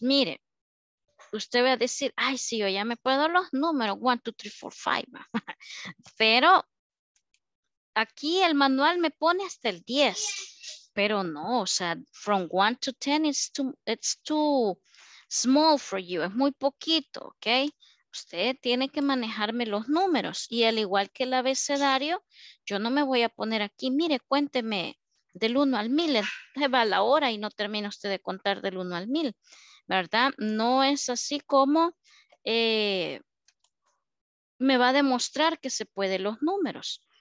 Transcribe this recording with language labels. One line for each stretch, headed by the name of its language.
Spanish: Mire, usted va a decir, ay, sí, yo ya me puedo los números. 1, 2, 3, 4, 5. Pero aquí el manual me pone hasta el 10. Pero no, o sea,
English: from 1 to 10 it's too small for you.
Spanish: Es muy poquito, ¿ok? Usted tiene que manejarme los números. Y al igual que el abecedario, yo no me voy a poner aquí, mire, cuénteme del 1 al 1000. Se va la hora y no termina usted de contar del 1 al 1000, ¿verdad? No es así como me va a demostrar que se puede los números.